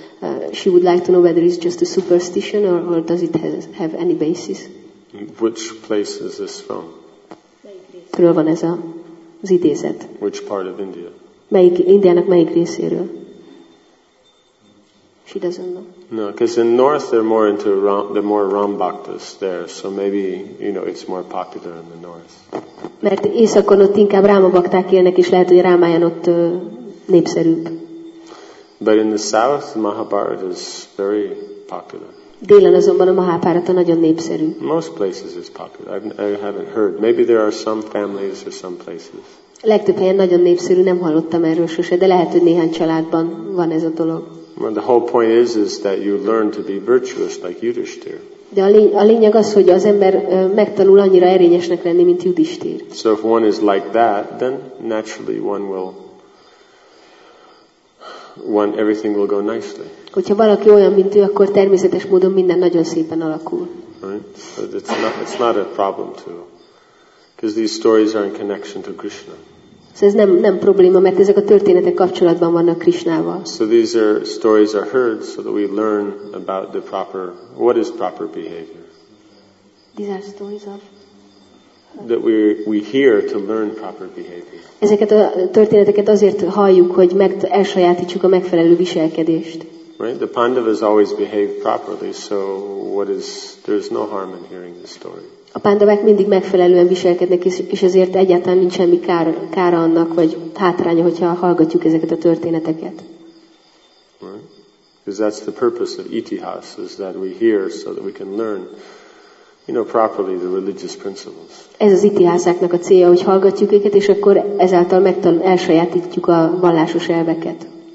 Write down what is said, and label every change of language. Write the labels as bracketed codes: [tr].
[en] And she would like to know whether it's just a superstition or does it have any basis. Which place is this from? [hu] Kiről van ez az idézet? [en] Which part of India? [hu] Melyik, Indiának melyik részéről? [en] She doesn't know. No, because in north they're more into they're more Ram Bhaktas there, so maybe, you know, it's more popular in the north. [hu] Mert északon ott inkább Ráma bakták élnek, és lehet, hogy Rámáján ott népszerűbb. [en] But in the south, the Mahabharata is very popular. [hu] Délen azonban a Mahabharata nagyon népszerű. [en] Most places is popular. I haven't heard. Maybe there are some families or some places. [hu] Legtöbb helyen nagyon népszerű, nem hallottam erről sose, de lehet, hogy néhány családban van ez a dolog. [en] Well, the whole point is that you learn to be virtuous like Yudhishthir. [hu] De a lényeg az, hogy az ember megtanul annyira erényesnek lenni, mint Yudhishthir. [en] So if one is like that, then naturally one will. One, everything will go nicely. [hu] Hogyha valaki olyan, mint ő, akkor természetes módon minden nagyon szépen alakul. [en] Right? It's not a problem to, because these stories are in connection to Krishna. [hu] Szóval ez nem probléma, mert ezek a történetek kapcsolatban vannak Krisnával. [en] So these are stories are heard so that we learn about the proper, what is proper behavior. These are stories of that we hear to learn proper behavior. [hu] Ezeket a történeteket azért halljuk, hogy elsajátítsuk a megfelelő viselkedést. [en] Right, the Pandavas always behaved properly, so what is there's no harm in hearing the story. [hu] A Pandavák mindig megfelelően viselkednek, és ezért egyáltalán nincs semmi kára annak, vagy hátránya, hogyha hallgatjuk ezeket a történeteket. [en] Right? Because that's the purpose of itihas, is that we hear so that we can learn, you know, properly the religious principles. [hu] Ez az itihászáknak a célja, hogy hallgatjuk őket, és akkor ezáltal elsajátítjuk a vallásos elveket.